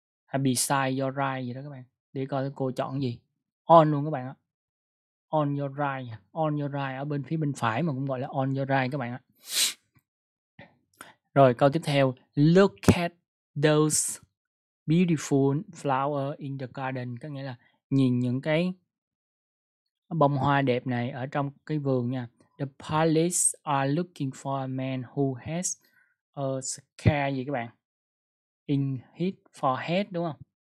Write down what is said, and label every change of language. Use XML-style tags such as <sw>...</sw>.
<vi>Hay</vi> <en>beside your right</en> <vi>gì đó các bạn. Để coi cô chọn gì. On luôn các bạn ạ.</vi> <en>On your right. On your right.</en> <vi>Ở bên phía bên phải mà cũng gọi là</vi> <en>on your right</en> <vi>các bạn ạ. Rồi câu tiếp theo.</vi> <en>Look at those beautiful flowers in the garden.</en> <vi>Có nghĩa là nhìn những cái bông hoa đẹp này ở trong cái vườn nha.</vi> <en>The police are looking for a man who has a scar</en> <vi>gì các bạn.</vi> <en>In his forehead</en> <vi>đúng không?</vi>